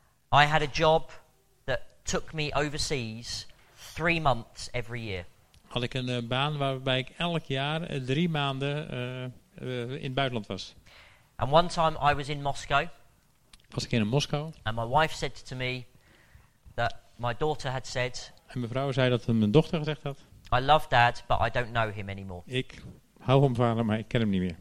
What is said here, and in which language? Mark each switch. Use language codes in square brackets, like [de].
[en] I had a job that took me overseas 3 months every year. [nl] Had ik een baan waarbij ik elk jaar 3 maanden in het buitenland was. [en] And one time I was in Moscow. [nl] Was ik in Moskou. [en] And my wife said to me that my daughter had said. [nl] En mijn vrouw zei dat mijn dochter gezegd had. [en] I love dad, but I don't know him anymore. [nl] Ik hou van vader, maar ik ken hem niet meer.